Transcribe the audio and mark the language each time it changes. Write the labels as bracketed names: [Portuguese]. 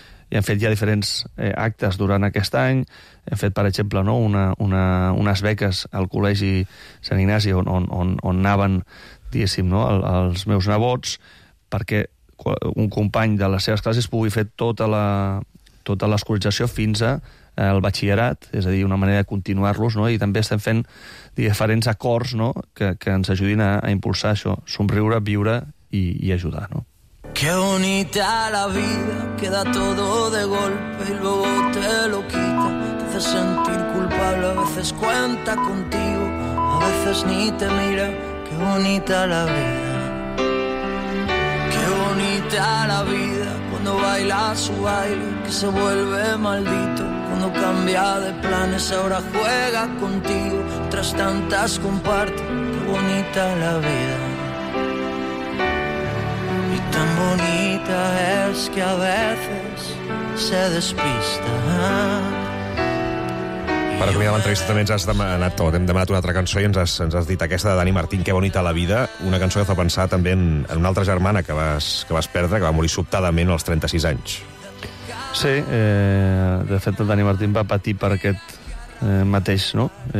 [Catalan] I hem fet ja diferents actes durant aquest any. Hem fet, per exemple, no?, unes beques al Col·legi Sant Ignasi, on anaven, diguéssim, no?, els meus nebots, perquè un company de les seves classes pugui fer tota la, tota l'escolarització fins al batxillerat, és a dir, una manera de continuar-los, no? I també estem fent diferents acords, no?, que ens ajudin a impulsar això, somriure, viure i ajudar, no? [Spanish] Qué bonita la vida, que da todo de golpe y luego te lo quita. Te hace sentir culpable, a veces cuenta contigo, a veces ni te mira. Qué bonita la vida. Qué bonita la vida, cuando baila su baile, que se vuelve maldito. Cuando cambia de planes, ahora juega contigo, tras tantas comparte. Qué bonita la vida. Tan bonita es que a veces se despista. [Catalan] Per acomiadar l'entrevista també ens has demanat tot. Hem demanat una altra cançó i ens has dit aquesta de Dani Martín, Que bonita la vida, una cançó que fa pensar també en una altra germana que vas perdre, que va morir sobtadament als 36 anys. Sí, de fet el Dani Martín va patir per aquest mateix, no?